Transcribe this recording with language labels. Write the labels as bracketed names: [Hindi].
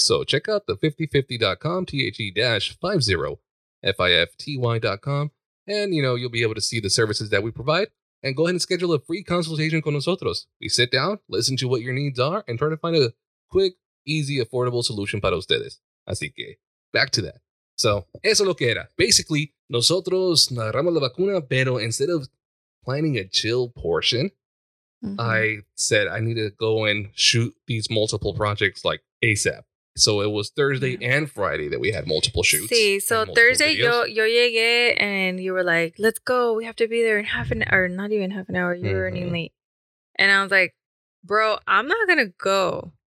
[English] So check out the 5050.com, T-H-E-50-F-I-F-T-Y.com. And, you know, you'll be able to see the services that we provide and go ahead and schedule a free consultation [Spanish] con nosotros. [English] We sit down, listen to what your needs are and try to find a quick, easy, affordable solution [Spanish] para ustedes. Así que [English] back to that. So [Spanish] eso es lo que era. [English] Basically, [Spanish] nosotros agarramos la vacuna, pero [English] instead of planning a chill portion, I said I need to go and shoot these multiple projects like ASAP. So it was Thursday and Friday that we had multiple shoots. See, so Thursday, [Spanish] yo llegué, [English] and you were like, let's go. We have to be there in half an hour, not even half an hour. You're running late. And I was like, bro, I'm not going to go.